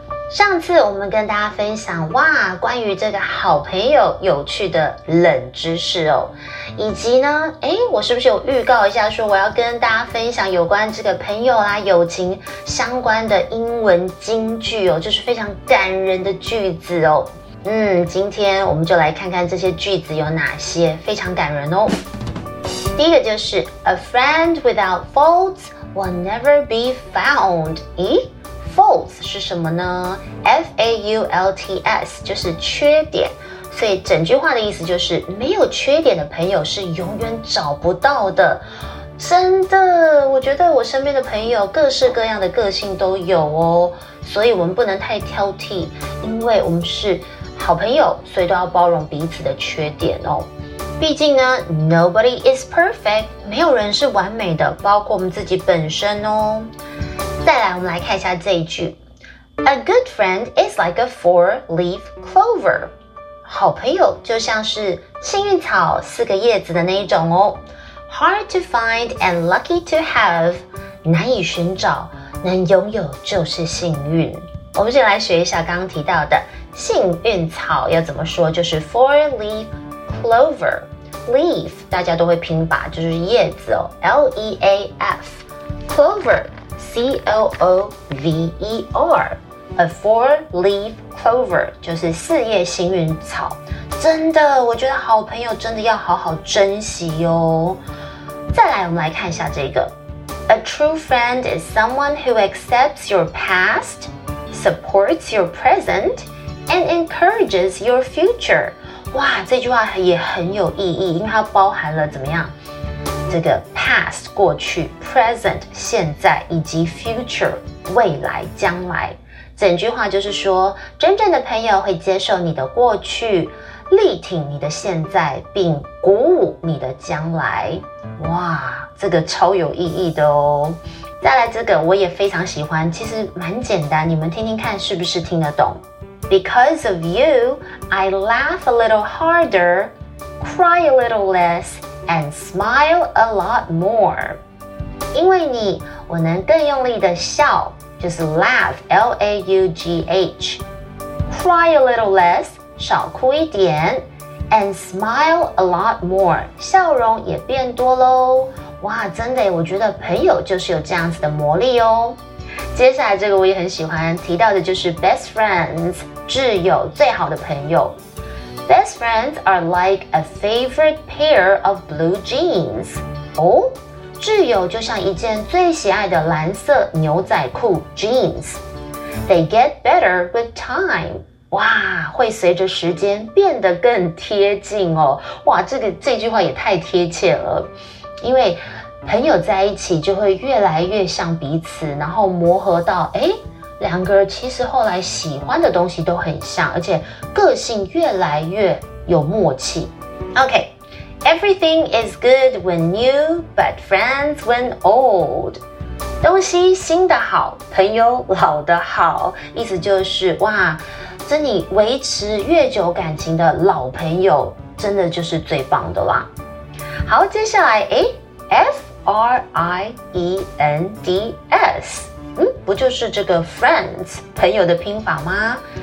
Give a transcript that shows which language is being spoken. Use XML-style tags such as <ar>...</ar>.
<zh>上次我们跟大家分享哇，关于这个好朋友有趣的冷知识哦，以及呢，我是不是有预告一下说我要跟大家分享有关这个朋友啦、友情相关的英文金句哦，就是非常感人的句子哦。今天我们就来看看这些句子有哪些非常感人哦。第一个就是</zh> <en>A friend without faults will never be found。</en> <zh>Faults 是什么呢？F-A-U-L-T-S 就是缺点，所以整句话的意思就是没有缺点的朋友是永远找不到的。真的，我觉得我身边的朋友各式各样的个性都有哦，所以我们不能太挑剔，因为我们是好朋友，所以都要包容彼此的缺点哦。毕竟呢，</zh> <en>Nobody is perfect，</en> <zh>没有人是完美的，包括我们自己本身哦。再来，我们来看一下这一句</zh> <en>：A good friend is like a four-leaf clover。</en> <zh>好朋友就像是幸运草四个叶子的那一种哦。</zh> <en>Hard to find and lucky to have，</en> <zh>难以寻找，能拥有就是幸运。我们先来学一下刚刚提到的幸运草要怎么说，就是 four-leaf clover。 Leaf 大家都会拼吧，就是叶子哦 ，L-E-A-F clover。</zh> <en>C-O-O-V-E-R A four-leaf clover</en> <zh>就是四叶幸运草。真的，我觉得好朋友真的要好好珍惜哦。再来，我们来看一下这个</zh> <en>A true friend is someone who accepts your past, supports your present, and encourages your future。</en> <zh>哇，这句话也很有意义，因为它包含了怎么样，这个 past 过去 present 现在以及 future 未来将来，整句话就是说真正的朋友会接受你的过去，力挺你的现在，并鼓舞你的将来。哇，这个超有意义的哦。再来这个我也非常喜欢，其实蛮简单，你们听听看是不是听得懂。</zh> <en>Because of you I laugh a little harder, cry a little lessAnd smile a lot more.</en> <zh>因为你，我能更用力的笑，就是 laugh, L-A-U-G-H.</zh> <en>Cry a little less,</en> <zh>少哭一点。</zh> <en>And smile a lot more,</en> <zh>笑容也变多咯。哇，真的，我觉得朋友就是有这样子的魔力哦。接下来这个我也很喜欢，提到的就是 best friends, 挚友，最好的朋友。</zh> <en>Best friends are like a favorite pair of blue jeans.</en> <zh>哦，挚友就像一件最喜爱的蓝色牛仔裤 jeans.</zh> <en>They get better with time.</en> <zh>哇，会随着时间变得更贴近哦。哇，这句话也太贴切了，因为朋友在一起就会越来越像彼此，然后磨合到两个其实后来喜欢的东西都很像，而且个性越来越有默契。</zh> <en>OK, everything is good when new, but friends when old.</en> <zh>东西新的好，朋友老的好，意思就是哇，这你维持越久感情的老朋友真的就是最棒的啦。好，接下来FRIENDS不就是这个 friends 朋友的拼法吗？</zh>